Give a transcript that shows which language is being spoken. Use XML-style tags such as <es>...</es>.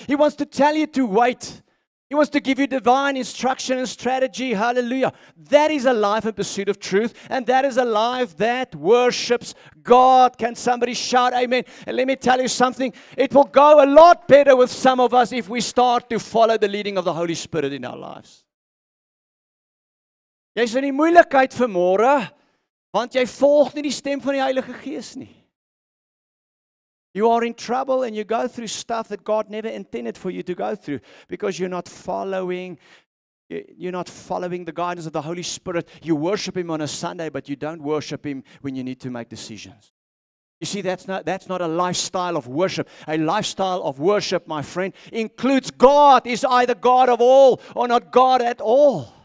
<en>He wants to tell you to wait. He wants to give you divine instruction and strategy. Hallelujah. That is a life in pursuit of truth. And that is a life that worships God. Can somebody shout amen? And let me tell you something. It will go a lot better with some of us if we start to follow the leading of the Holy Spirit in our lives.</en> <af>Jy is in die moeilikheid vanmôre, want jy volg nie die stem van die Heilige Gees nie.</af> <en>You are in trouble and you go through stuff that God never intended for you to go through because you're not following the guidance of the Holy Spirit. You worship Him on a Sunday, but you don't worship Him when you need to make decisions. You see, that's not a lifestyle of worship. A lifestyle of worship, my friend, includes God is either God of all or not God at all.</en>